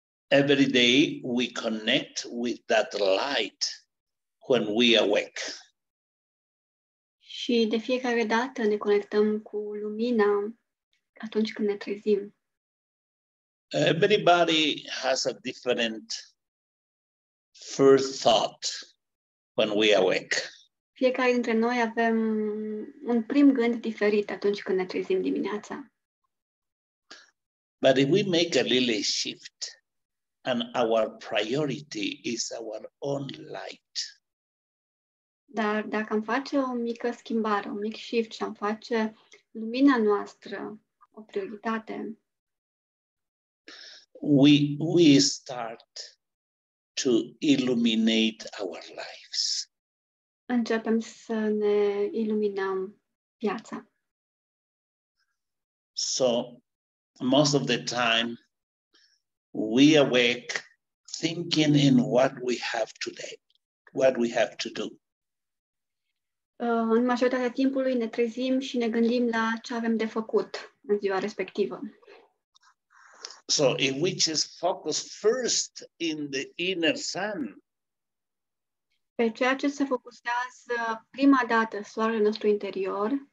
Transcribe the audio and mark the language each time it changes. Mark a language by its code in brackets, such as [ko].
[en] Every day we connect with that light when we awake. [ro] Și de fiecare dată ne conectăm cu lumina atunci când ne trezim. [en] Everybody has a different first thought when we awake. [ro] Fiecare dintre noi avem un prim gând diferit atunci când ne trezim dimineața. [en] But if we make a little shift and our priority is our own light. [ro] Dar dacă am face o mică schimbare, un mic shift și am face lumina noastră o prioritate, [en] we start to illuminate our lives. [ro] Începem să ne iluminăm viața. [en] So, most of the time, we awake thinking in what we have today, what we have to do. [ro] În majoritatea timpului ne trezim și ne gândim la ce avem de făcut în ziua respectivă. [en] So, if we just focus first in the inner sun, [ro] pe ceea ce se focusează prima dată soarele nostru interior,